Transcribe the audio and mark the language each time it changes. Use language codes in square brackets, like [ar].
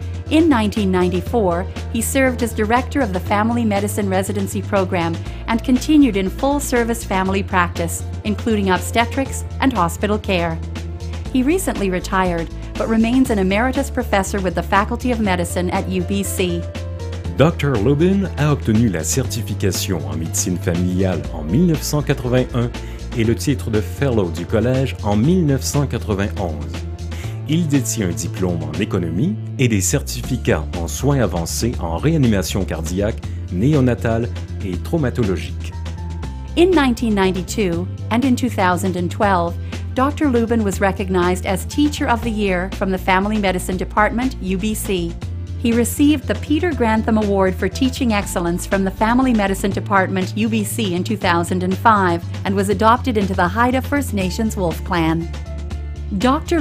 [en] In 1994, he served as director of the Family Medicine Residency Program and continued in full-service family practice, including obstetrics and hospital care. He recently retired, but remains an emeritus professor with the Faculty of Medicine at UBC. Dr. [fr] Lubin a obtenu la certification en médecine familiale en 1981 et le titre de Fellow du Collège en 1991. Il détient un diplôme en économie et des certificats en soins avancés en réanimation cardiaque, néonatale et traumatologique. [en] In 1992 and in 2012, Dr. Lubin was recognized as Teacher of the Year from the Family Medicine Department, UBC. He received the Peter Grantham Award for Teaching Excellence from the Family Medicine Department, UBC, in 2005 and was adopted into the Haida First Nations Wolf Clan. Dr.